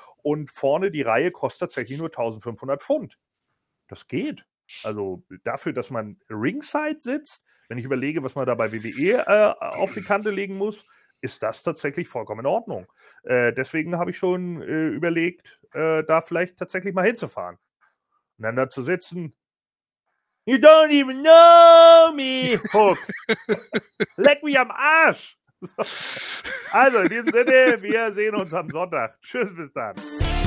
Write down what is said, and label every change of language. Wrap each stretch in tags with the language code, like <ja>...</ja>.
<de>Und vorne die Reihe kostet tatsächlich nur 1500 Pfund. Das geht. Also dafür, dass man ringside sitzt, wenn ich überlege, was man da bei WWE auf die Kante legen muss, ist das tatsächlich vollkommen in Ordnung. Deswegen habe ich schon überlegt, da vielleicht tatsächlich mal hinzufahren. Und dann da zu sitzen.</de> <en>You don't even know me, Hook.</en> <de>Leck mich am Arsch. So. Also, in diesem Sinne, wir sehen uns am Sonntag. Tschüss, bis dann.</de>